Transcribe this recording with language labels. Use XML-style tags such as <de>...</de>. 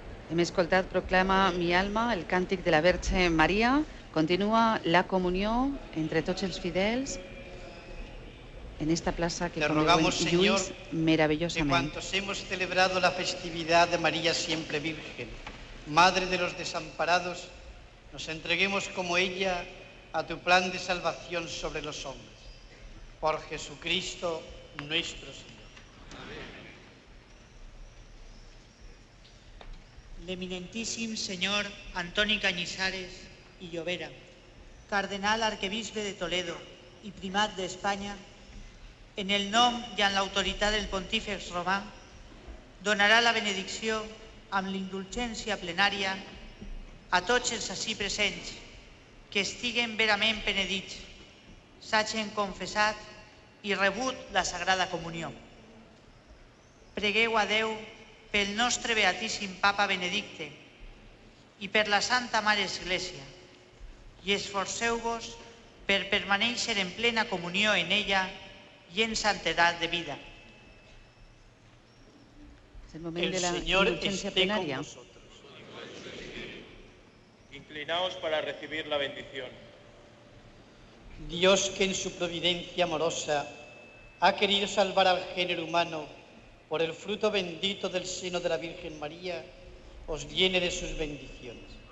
<ca>Hem escoltat Proclama mi alma, el càntic de la Verge Maria. Continua la comunió entre tots els fidels en esta plaça que conviu en lluís meravellosament.</ca> <es>Que quantos hemos celebrado la festividad de María Siempre Virgen, Madre de los Desamparados, nos entreguemos como ella a tu plan de salvación sobre los hombres. Por Jesucristo nuestro Señor.</es> <ca>L'eminentíssim senyor Antoni Cañizares i Llobera, cardenal arquebisbe de Toledo i primat d'Espanya, en el nom i en l'autoritat del pontífex romà, donarà la benedicció amb l'indulgència plenària a tots els ací presents, que estiguen verament benedits, s'hagin confessat i rebut la Sagrada Comunió. Pregueu a Déu pel nostre beatíssim Papa Benedicte i per la Santa Mare Església i esforceu-vos per permanèixer en plena comunió en ella i en santedat de vida. El moment de la indulgència plenària.</ca> <es>Inclinaos para recibir la bendición. Dios, que en su providencia amorosa ha querido salvar al género humano por el fruto bendito del seno de la Virgen María, os llene de sus bendiciones.</es>